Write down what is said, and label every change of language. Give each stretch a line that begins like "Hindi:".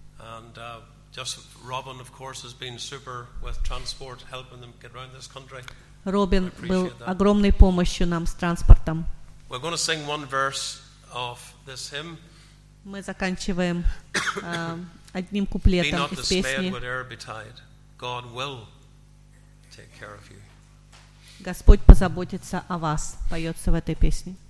English: And just Robin, of course, has been super with transport, helping them get around this country.
Russian: Робин был огромной помощью нам с транспортом.
English: We're going to sing one verse of this hymn.
Russian: Мы заканчиваем одним куплетом из песни.
English: Be not dismayed, whatever betide. God will take care of you.
Russian: Господь позаботится о вас, поется в этой песне.